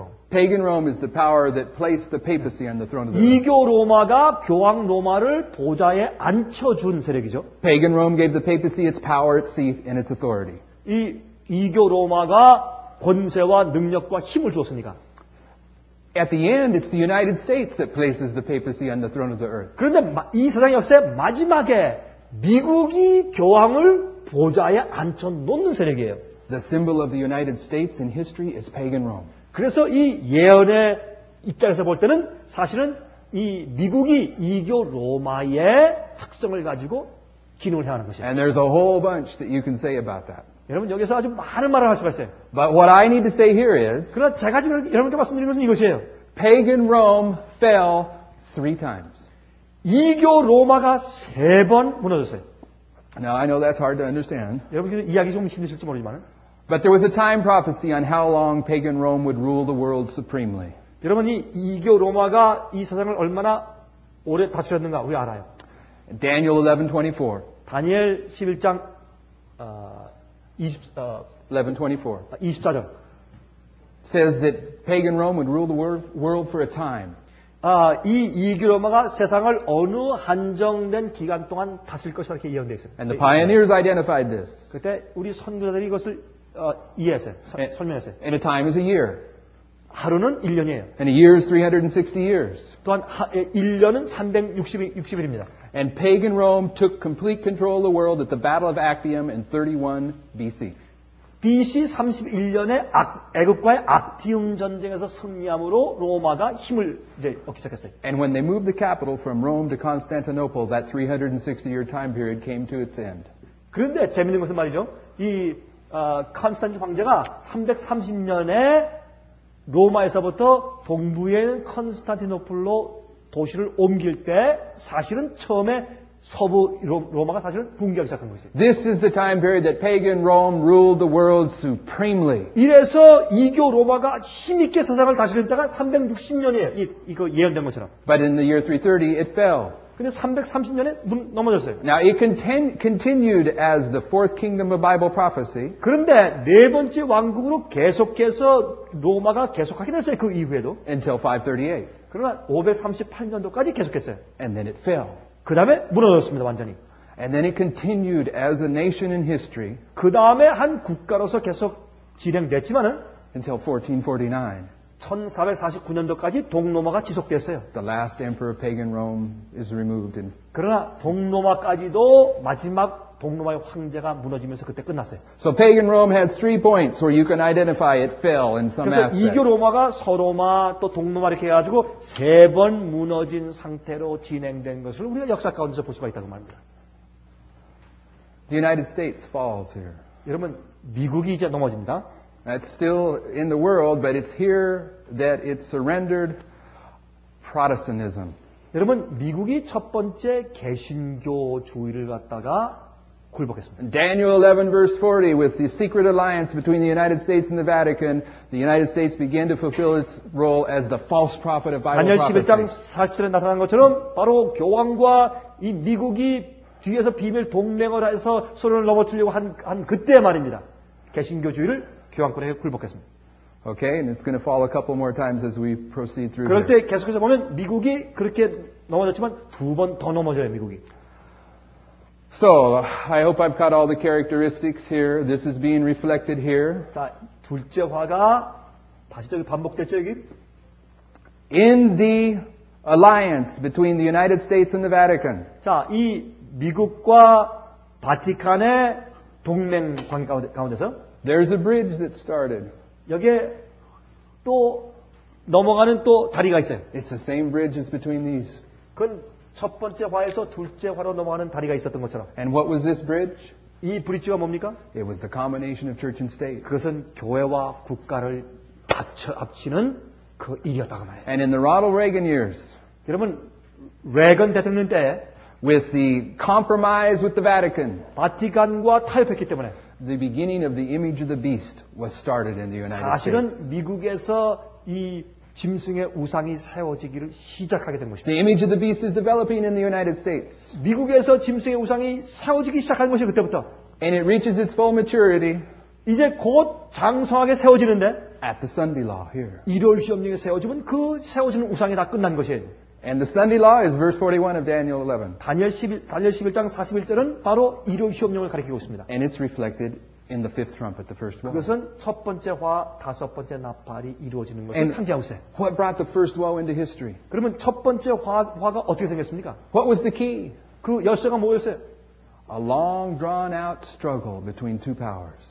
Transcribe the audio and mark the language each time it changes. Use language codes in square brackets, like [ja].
[en] Pagan Rome is the power that placed the papacy on the throne of the. [ko] 이교 로마가 교황 로마를 보좌에 앉혀준 세력이죠. [en] Pagan Rome gave the papacy its power, its seat, and its authority. [ko] 이교 로마가 권세와 능력과 힘을 주었으니까. [en] At the end, it's the United States that places the papacy on the throne of the earth. [ko] 그런데 이 세상 역사의 마지막에 미국이 교황을 보좌에 앉혀놓는 세력이에요. [en] The symbol of the United States in history is pagan Rome. [ko] 그래서 이 예언의 입장에서 볼 때는 사실은 이 미국이 이교 로마의 특성을 가지고 기능을 해야 하는 것이에요. [en] And there's a whole bunch that you can say about that. [ko] 여러분 여기서 아주 많은 말을 할 수가 있어요. [en] But what I need to say here is [ko] 그러나 제가 지금 여러분께 말씀드리는 것은 이것이에요. [en] Pagan Rome fell three times. [ko] 이교 로마가 세 번 무너졌어요. [en] Now I know that's hard to understand. [ko] 여러분 이야기 좀 힘드실지 모르지만은. [en] But there was a time prophecy on how long pagan Rome would rule the world supremely. [ko] 여러분 이 이교 로마가 이 세상을 얼마나 오래 다스렸는가 우리 알아요. [en] Daniel 11:24. [ko] 다니엘 11장 [en] 11:24. [ko] 24절. [en] Says that pagan Rome would rule the world for a time. [ko] 이 이교 로마가 세상을 어느 한정된 기간 동안 다스릴 것이다 이렇게 예언되어 있어요. [en] And the pioneers identified this. [ko] 그때 우리 선조들이 이것을 이해했어요. 설명했어요. [en] And a time is a year. [ko] 하루는 1년이에요. [en] And a year is 360 years. [ko] 또한 1년은 360일입니다. [en] And pagan Rome took complete control of the world at the Battle of Actium in 31 BC. [ko] BC 31년에 애굽과의 악티움 전쟁에서 승리함으로 로마가 힘을 이제 얻기 시작했어요. [en] And when they moved the capital from Rome to Constantinople, that 360-year time period came to its end. [ko] 그런데 재밌는 것은 말이죠. 이 콘스탄티 황제가 330년에 로마에서부터 동부의 콘스탄티노플로 도시를 옮길 때 사실은 처음에 서부 로마가 사실은 붕괴하기 시작한 것이에요. [en] This is the time period that pagan Rome ruled the world supremely. [ko] 이래서 이교 로마가 힘있게 세상을 다스리는 때가 360년이에요. 이거 예언된 것처럼. [en] But in the year 330 it fell. [ko] 근데 330년에 넘어졌어요. [en] Now it continued as the fourth kingdom of Bible prophecy. [ko] 그런데 네 번째 왕국으로 계속해서 로마가 계속하긴 했어요. 그 이후에도. [en] Until 538. [ko] 그러나 538년도까지 계속했어요. [en] And then it fell. [ko] 그 다음에 무너졌습니다, 완전히. [en] And then it continued as a nation in history. [ko] 그 다음에 한 국가로서 계속 진행됐지만은. [en] Until 1449. [ko] 1449년도까지 동로마가 지속됐어요. [en] The last emperor of pagan Rome is removed in. [ko] 그러나 동로마까지도 마지막 동로마의 황제가 무너지면서 그때 끝났어요. [en] So pagan Rome has three points where you can identify it fell in some aspect. [ko] 그래서 이교 로마가 서로마 또 동로마 이렇게 해가지고 세 번 무너진 상태로 진행된 것을 우리가 역사 가운데서 볼 수가 있다고 말합니다. [en] The United States falls here. [ko] 여러분 미국이 이제 넘어집니다. [en] It's still in the world, but it's here that it surrendered Protestantism. [ko] 여러분, 미국이 첫 번째 개신교주의를 갖다가 굴복했습니다. [en] Daniel 11 verse 40, with the secret alliance between the United States and the Vatican, the United States began to fulfill its role as the false prophet of Bible prophecy. [ko] 다니엘 11장 사실에 나타난 것처럼 바로 교황과 이 미국이 뒤에서 비밀 동맹을 해서 서로를 넘어뜨리려고 한 그때 말입니다. 개신교주의를 교황권에 굴복했습니다. [en] Okay, and it's going to fall a couple more times as we proceed through. [ko] 그럴 때 계속해서 보면 미국이 그렇게 넘어졌지만 두 번 더 넘어져요, 미국이. [en] So, I hope I've got all the characteristics here. This is being reflected here. [ko] 자, 둘째 화가 다시 또 반복됐죠, 여기. [en] In the alliance between the United States and the Vatican. [ko] 자, 이 미국과 바티칸의 동맹 관계 가운데서 [en] There's a bridge that started. [ko] 여기에 또 넘어가는 또 다리가 있어요. [en] It's the same bridge as between these. [ko] 그건 첫 번째 화에서 둘째 화로 넘어가는 다리가 있었던 것처럼. [en] And what was this bridge? [ko] 이 브릿지가 뭡니까? [en] It was the combination of church and state. [ko] 그것은 교회와 국가를 합치는 그 일이었다고 말해요. [en] And in the Ronald Reagan years. [ko] 여러분, 레건 대통령 때 [en] with the compromise with the Vatican. [ko] 바티칸과 타협했기 때문에 [en] The beginning of the image of the beast was started in the United States. [ko] 사실은 미국에서 이 짐승의 우상이 세워지기를 시작하게 된 것입니다. [en] The image of the beast is developing in the United States. [ko] 미국에서 짐승의 우상이 세워지기 시작한 것이 그때부터. [en] And it reaches its full maturity. [ko] 이제 곧 장성하게 세워지는데. [en] At the Sunday Law here. [ko] 일요일 시험령에 세워지면 그 세워지는 우상이 다 끝난 것이에요. [en] And the Sunday Law is verse 41 of Daniel 11. [ko] 다니엘 11장 41절은 바로 일요 시험령을 가리키고 있습니다. [en] And it's reflected in the fifth trumpet, the first woe. [ko] 그것은 첫 번째 화, 다섯 번째 나팔이 이루어지는 것을 상징하고 있어요. [en] What brought the first woe into history? [ko] 그러면 첫 번째 화가 어떻게 생겼습니까? [en] What was the key? [ko] 그 열쇠가 뭐였어요? [en] A long drawn out struggle between two powers.